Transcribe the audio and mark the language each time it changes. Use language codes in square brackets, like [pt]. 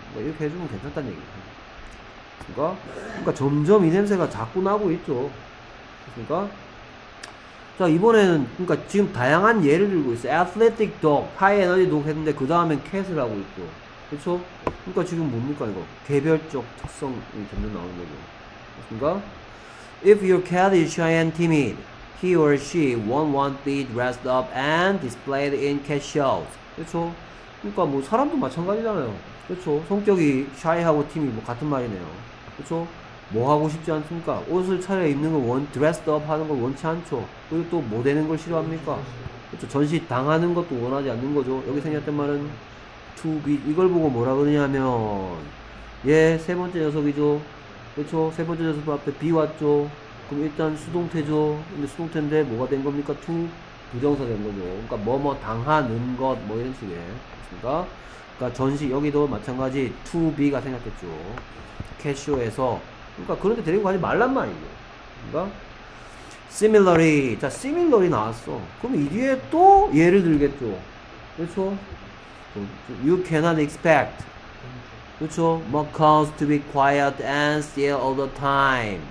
[ko] 뭐, 이렇게 해주면 괜찮단 얘기예요. 그니까, 점점 이 냄새가 자꾸 나고 있죠. 그니까, 자, 이번에는, 그니까, 지금 다양한 예를 들고 있어. [en] Athletic dog, high energy dog [ko] 했는데, 그 다음엔 cat을 하고 있죠. 그쵸? 그니까 지금 뭡니까 이거? 개별적 특성이 점점 나오는 거죠. 맞습니까? [en] If your cat is shy and timid, he or she won't want to be dressed up and displayed in cat shows. [ko] 그쵸? 그니까 뭐 사람도 마찬가지잖아요. 그쵸? 성격이 shy하고 timid 뭐 같은 말이네요. 그쵸? 뭐 하고 싶지 않습니까? 옷을 차려 입는 걸 dressed up 하는 걸 원치 않죠. 그리고 또 뭐 되는 걸 싫어합니까? 그쵸? 전시 당하는 것도 원하지 않는 거죠. 여기 생겼던 말은 to be, 이걸 보고 뭐라 그러냐면, 얘 세 번째 녀석이죠. 그쵸? 세 번째 녀석 앞에 be 왔죠. 그럼 일단 수동태죠. 근데 수동태인데 뭐가 된 겁니까? to, 부정사 된 거죠. 그러니까 뭐뭐 당하는 것, 뭐 이런 식의. 그니까, 그러니까 전시, 여기도 마찬가지 to be가 생각했죠. 캐쇼에서. 그러니까 그런데 데리고 가지 말란 말이죠. 그니까, similarly. 자, similarly 나왔어. 그럼 이 뒤에 또 예를 들겠죠. 그쵸? [en] You cannot expect, [ko] 그렇죠? [en] Macaws to be quiet and still all the time.